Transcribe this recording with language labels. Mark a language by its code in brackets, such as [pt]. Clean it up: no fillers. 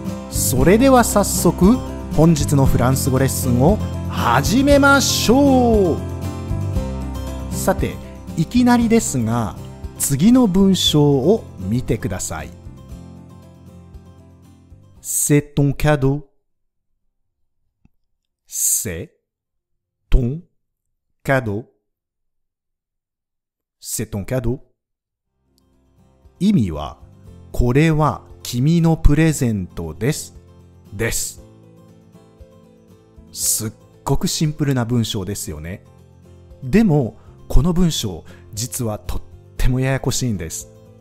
[ja] それでは早速本日のフランス語レッスンを始めましょう。さて、いきなりですが次の文章を見てください。 [fr] C'est ton cadeau C'est ton cadeauC'est ton cadeau。 [ja] 意味はこれは君のプレゼントですです。すっごくシンプルな文章ですよね。でもこの文章実はとってもややこしいんです。